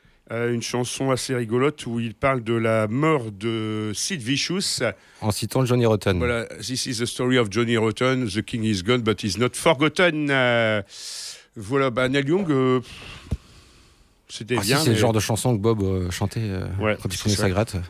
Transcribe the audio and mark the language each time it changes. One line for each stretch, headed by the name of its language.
French: Une chanson assez rigolote où il parle de la mort de Sid Vicious. En citant Johnny Rotten.
English: Voilà, this is the story of Johnny Rotten. The king is gone, but he's not forgotten.
French: Voilà, bah, Neil Young... C'était bien. Si, c'est le genre de chanson que Bob chantait quand il prenait sa gratte.